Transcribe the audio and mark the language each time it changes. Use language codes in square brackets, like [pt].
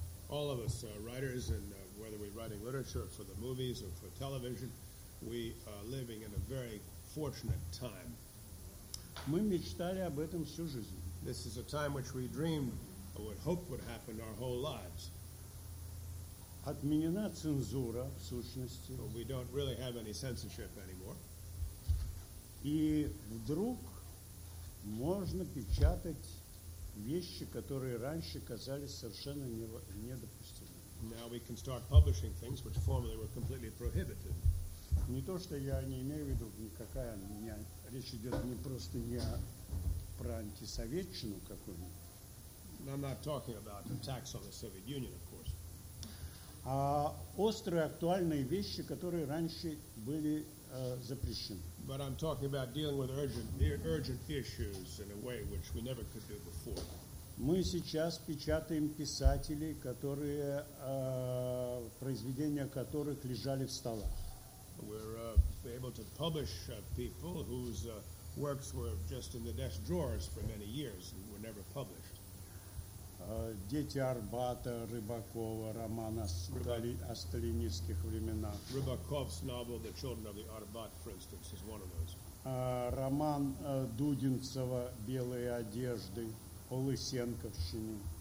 [en] All of us, writers, and whether we're writing literature for the movies or for television, we are living in a very fortunate time. [ru] Мы мечтали об этом всю жизнь. [en] This is a time which we dreamed or would hope would happen our whole lives. [ru] Отменена цензура, в сущности. [en] But we don't really have any censorship anymore. [ru] И вдруг можно печатать вещи, которые раньше казались совершенно недопустимыми. [en] Now we can start publishing things which formerly were completely prohibited. [ru] Не то, что я не имею в виду, никакая не, речь идет не просто не про антисоветчину какую-нибудь. [en] I'm not talking about attacks on the Soviet Union, of course. [ru] А острые, актуальные вещи, которые раньше были запрещены. [en] But I'm talking about dealing with urgent issues in a way which we never could do before. [ru] Мы сейчас печатаем писателей, которые, произведения которых лежали в столах. [en] We're able to publish people whose works were just in the desk drawers for many years and were never published. [ru] Дети Арбата, Рыбакова, роман о сталинистских временах. [en] Rybakov's novel, The Children of the Arbat, for instance, is one of those. [ru] Роман Дудинцева, Белые одежды, о Лысенковщине.